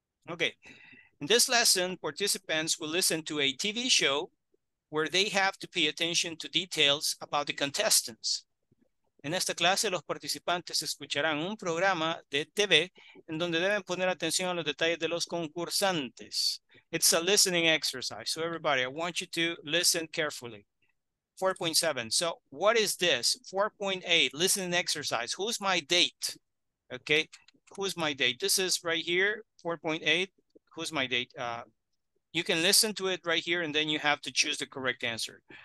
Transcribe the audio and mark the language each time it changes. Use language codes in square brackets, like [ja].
[en] Okay. In this lesson, participants will listen to a TV show where they have to pay attention to details about the contestants. [es] En esta clase, los participantes escucharán un programa de TV en donde deben poner atención a los detalles de los concursantes. [en] It's a listening exercise. So everybody, I want you to listen carefully. 4.7. So what is this? 4.8, listening exercise. Who's my date? Okay, who's my date? This is right here, 4.8. Who's my date? You can listen to it right here, and then you have to choose the correct answer.